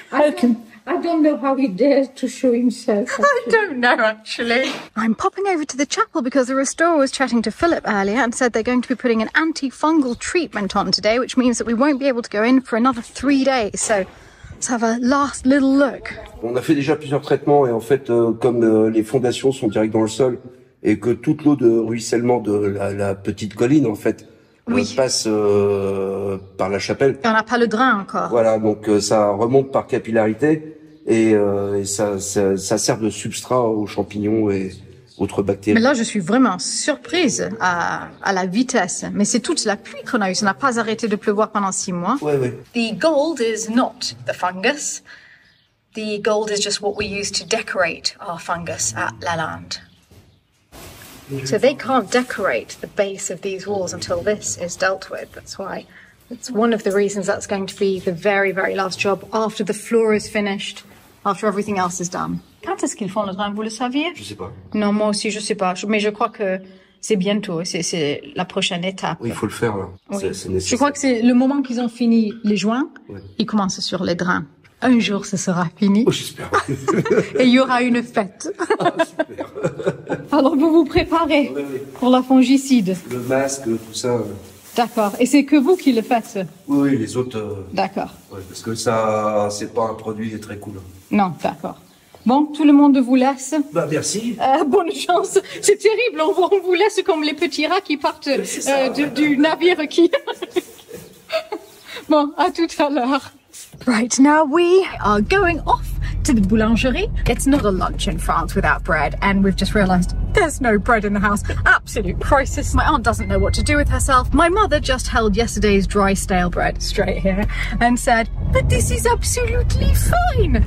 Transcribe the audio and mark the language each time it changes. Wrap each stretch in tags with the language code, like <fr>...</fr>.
<en>I don't know how he dares to show himself. Actually. I don't know, actually. I'm popping over to the chapel because the restorer was chatting to Philip earlier and said they're going to be putting an antifungal treatment on today, which means that we won't be able to go in for another 3 days. So let's have a last little look.</en> <fr>On a fait déjà plusieurs traitements et en fait, comme les fondations sont direct dans le sol et que toute l'eau de ruissellement de la petite colline, en fait, oui. Passe par la chapelle. Et on n'a pas le drain encore. Voilà, donc ça remonte par capillarité et ça sert de substrat aux champignons et autres bactéries. Mais là, je suis vraiment surprise à la vitesse. Mais c'est toute la pluie qu'on a eue. Ça n'a pas arrêté de pleuvoir pendant 6 mois. Oui, oui.</fr> <en>The gold is not the fungus. The gold is just what we use to decorate our fungus at Lalande. So they can't decorate the base of these walls until this is dealt with. That's why it's one of the reasons that's going to be the very, very last job after the floor is finished, after everything else is done.</en> <fr>Quand est-ce qu'ils font le drain, vous le saviez? Je sais pas. Non, moi aussi, je sais pas. Mais je crois que c'est bientôt, c'est la prochaine étape. Oui, il faut le faire, là. Oui. C'est nécessaire. Je crois que c'est le moment qu'ils ont fini les joints, ouais. Ils commencent sur les drains. Un jour, ce sera fini. Oh, j'espère. Et il y aura une fête. Ah, super. Alors, vous vous préparez pour la fongicide. Le masque, tout ça. D'accord. Et c'est que vous qui le faites? Oui, oui, les autres. D'accord. Ouais, parce que ça, c'est pas un produit très cool. Non, d'accord. Bon, tout le monde vous laisse. Bah, merci. Bonne chance. C'est terrible. On vous laisse comme les petits rats qui partent du navire qui. Bon, à tout à l'heure.</fr> <en>Right, now we are going off to the boulangerie. It's not a lunch in France without bread, and we've just realized there's no bread in the house. Absolute crisis. My aunt doesn't know what to do with herself. My mother just held yesterday's dry stale bread straight here and said, but this is absolutely fine.</en>